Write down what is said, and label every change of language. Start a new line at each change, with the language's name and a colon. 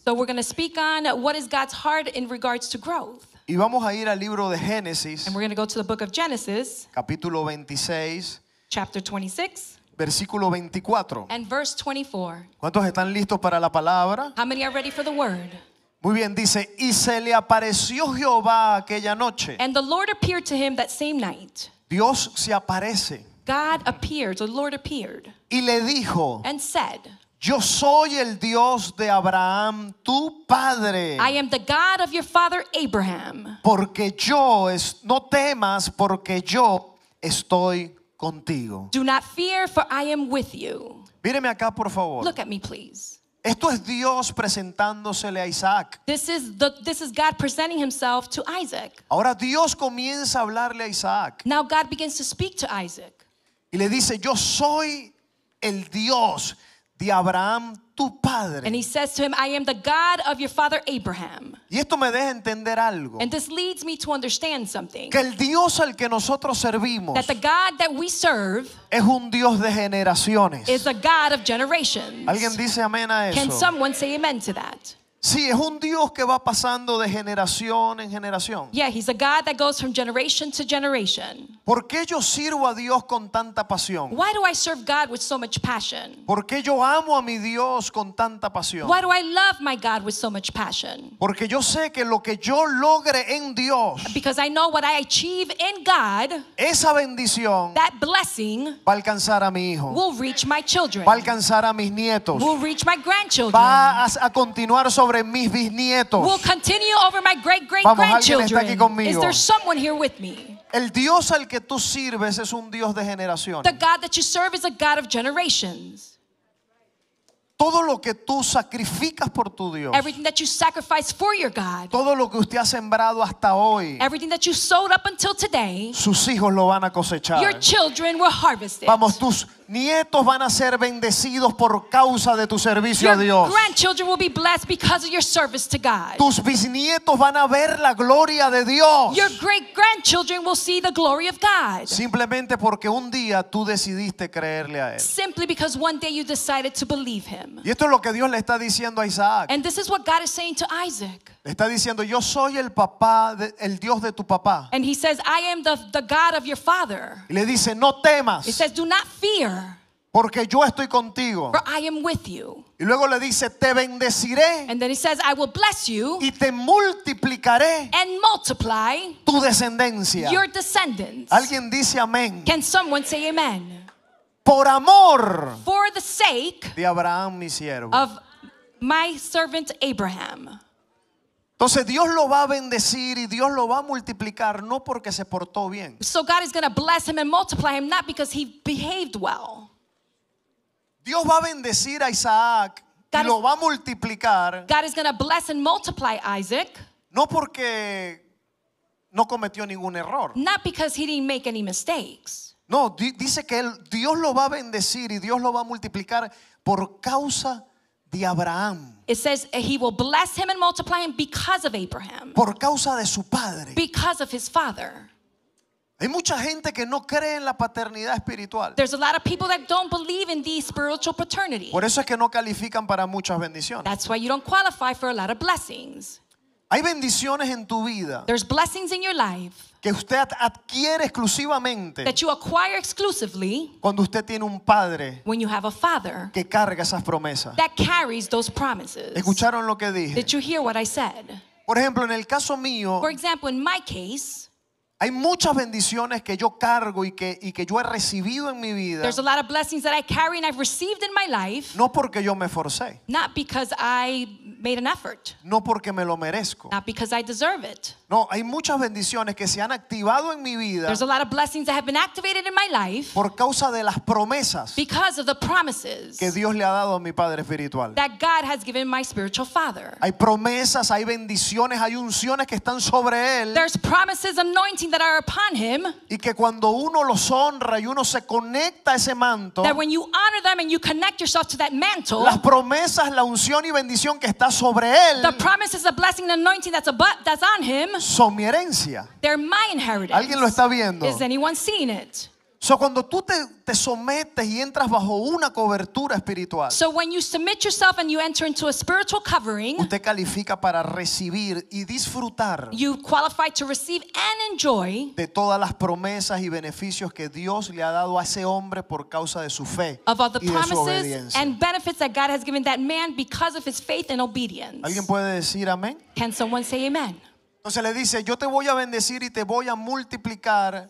English: So we're going to speak on what is God's heart in regards to growth.
Spanish: Y vamos a ir al libro de Génesis.
English: And we're going to go to the book of Genesis.
Spanish: Capítulo 26.
English: Chapter 26.
Spanish: Versículo 24.
English: And verse 24.
Spanish: ¿Cuántos están listos para la palabra?
English: How many are ready for the word?
Spanish: Muy bien, dice, y se le apareció Jehová aquella noche.
English: And the Lord appeared to him that same night.
Spanish: Dios se aparece.
English: God appeared, the Lord appeared.
Spanish: Y le dijo.
English: And said.
Spanish: Yo soy el Dios de Abraham, tu padre.
English: I am the God of your father Abraham.
Spanish: Porque yo es, no temas, porque yo estoy contigo.
English: Do not fear, for I am with you.
Spanish: Míreme acá, por favor.
English: Look at me, please.
Spanish: Esto es Dios presentándosele a Isaac.
English: This is God presenting himself to Isaac.
Spanish: Ahora Dios comienza a hablarle a Isaac.
English: Now God begins to speak to Isaac.
Spanish: Y le dice, yo soy el Dios de Abraham, tu padre.
English: And he says to him, I am the God of your father Abraham.
Spanish: Y esto me deja entender algo.
English: And this leads me to understand something.
Spanish: Que el Dios al que nosotros servimos,
English: that the God that we serve,
Spanish: es un Dios de generaciones.
English: Is a God of generations.
Spanish: ¿Alguien dice amén a eso?
English: Can someone say amen to that?
Spanish: Sí, es un Dios que va pasando de generación en generación.
English: Yeah, he's a God that goes from generation to generation.
Spanish: ¿Por qué yo sirvo a Dios con tanta pasión?
English: Why do I serve God with so much passion?
Spanish: ¿Por qué yo amo a mi Dios con tanta pasión?
English: Why do I love my God with so much passion?
Spanish: Porque yo sé que lo que yo logre en Dios,
English: because I know what I achieve in God,
Spanish: esa bendición,
English: that blessing,
Spanish: va a alcanzar a mi hijo,
English: will reach my children,
Spanish: va a alcanzar a mis nietos,
English: will reach my grandchildren,
Spanish: va a continuar sobre mis bisnietos.
English: Will continue over my great great grandchildren. Is there someone here with me?
Spanish: El Dios al que tú sirves es un Dios de generaciones.
English: The God that you serve is a God of generations.
Spanish: Todo lo que tú sacrificas por tu Dios.
English: Everything that you sacrifice for your God.
Spanish: Todo lo que usted ha sembrado hasta hoy.
English: Everything that you sowed up until today.
Spanish: Sus hijos lo van a cosechar.
English: Your children will harvest it.
Spanish: Vamos, tus nietos van a ser bendecidos por causa de tu servicio
English: your
Spanish: a Dios.
English: Your grandchildren will be blessed because of your service to God.
Spanish: Tus bisnietos van a ver la gloria de Dios.
English: Your great grandchildren will see the glory of God.
Spanish: Simplemente porque un día tú decidiste creerle a él.
English: Simply because one day you decided to believe him.
Spanish: Y esto es lo que Dios le está diciendo a Isaac.
English: And this is what God is saying to Isaac.
Spanish: Le está diciendo, yo soy el papá, de, el Dios de tu papá.
English: And he says, I am the God of your father.
Spanish: Y le dice, no temas.
English: He says, do not fear.
Spanish: Porque yo estoy contigo.
English: For I am with you.
Spanish: Y luego le dice, te bendeciré.
English: And then he says, I will bless you.
Spanish: Y te multiplicaré.
English: And multiply.
Spanish: Tu descendencia.
English: Your descendants.
Spanish: Alguien dice amén.
English: Can someone say amen?
Spanish: Por amor.
English: For the sake.
Spanish: De Abraham, mi siervo.
English: Of my servant Abraham.
Spanish: Entonces Dios lo va a bendecir y Dios lo va a multiplicar no porque se portó bien.
English: So God is going to bless him and multiply him not because he behaved well.
Spanish: Dios va a bendecir a Isaac y lo va a multiplicar.
English: God is going to bless and multiply Isaac.
Spanish: No porque no cometió ningún error.
English: Not because he didn't make any mistakes.
Spanish: No, dice que él, Dios lo va a bendecir y Dios lo va a multiplicar por causa de Abraham.
English: It says he will bless him and multiply him because of Abraham.
Spanish: Por causa de su padre.
English: Because of his father.
Spanish: Hay mucha gente que no cree en la paternidad espiritual.
English: There's a lot of people that don't believe in the spiritual paternity.
Spanish: Por eso es que no califican para muchas bendiciones.
English: That's why you don't qualify for a lot of blessings.
Spanish: Hay bendiciones en tu vida.
English: There's blessings in your life.
Spanish: Que usted adquiere exclusivamente.
English: That you acquire exclusively.
Spanish: Cuando usted tiene un padre.
English: When you have a father.
Spanish: Que carga esas promesas.
English: That carries those promises.
Spanish: ¿Escucharon lo que dije?
English: Did you hear what I said?
Spanish: Por ejemplo, en el caso mío.
English: For example, in my case.
Spanish: Hay muchas bendiciones que yo cargo y que yo he recibido en mi vida.
English: There's a lot of blessings that I carry and I've received in my life.
Spanish: No porque yo me forcé.
English: Not because I made an effort.
Spanish: No porque me lo merezco.
English: Not because I deserve it.
Spanish: No, hay muchas bendiciones que se han activado en mi vida.
English: There's a lot of blessings that have been activated in my life.
Spanish: Por causa de las promesas.
English: Because of the promises.
Spanish: Que Dios le ha dado a mi padre espiritual.
English: That God has given my spiritual father.
Spanish: Hay promesas, hay bendiciones, hay unciones que están sobre él.
English: There's promises, anointing that are upon him.
Spanish: Y que cuando uno los honra y uno se conecta a ese manto.
English: That when you honor them and you connect yourself to that mantle.
Spanish: Las promesas, la unción y bendición que está sobre él.
English: The promises, the blessing, the anointing that's on him.
Spanish: Son mi herencia.
English: They're my inheritance.
Spanish: ¿Alguien lo está viendo?
English: Is anyone seeing it?
Spanish: So cuando tú te sometes y entras bajo una cobertura espiritual.
English: So when you submit yourself and you enter into a spiritual covering.
Spanish: Usted califica para recibir y disfrutar.
English: You qualify to receive and enjoy.
Spanish: De todas las promesas y beneficios que Dios le ha dado a ese hombre por causa de su fe y de su obediencia.
English: Of all the promises and benefits that God has given that man because of his faith and obedience.
Spanish: ¿Alguien puede decir amén?
English: Can someone say amen?
Spanish: Entonces le dice, yo te voy a bendecir y te voy a multiplicar.